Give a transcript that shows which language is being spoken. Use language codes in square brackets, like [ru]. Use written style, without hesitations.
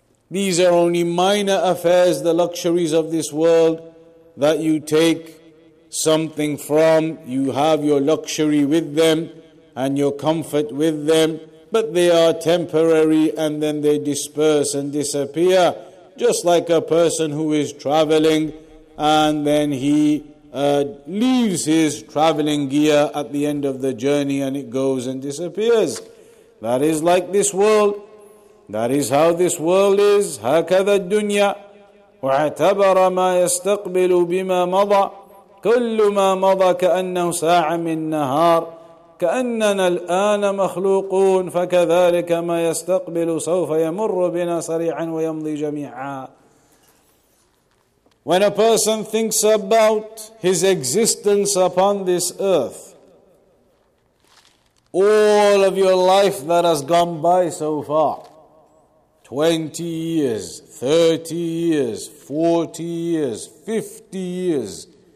[en] These are only minor affairs, the luxuries of this world, that you take something from, you have your luxury with them and your comfort with them, but they are temporary and then they disperse and disappear, just like a person who is traveling and then he leaves his traveling gear at the end of the journey and it goes and disappears. That is like this world. That is how this world is. [ar] هكذا الدنيا واعتبر ما يستقبل بما مضى كل ما مضى كأنه ساعة من نهار كأننا الآن مخلوقون فكذلك ما يستقبل سوف يمر بنا سريعا ويمضي جميعا. [en] When a person thinks about his existence upon this earth, all of your life that has gone by so far, 20 years, 30 years, 40 years, 50 years,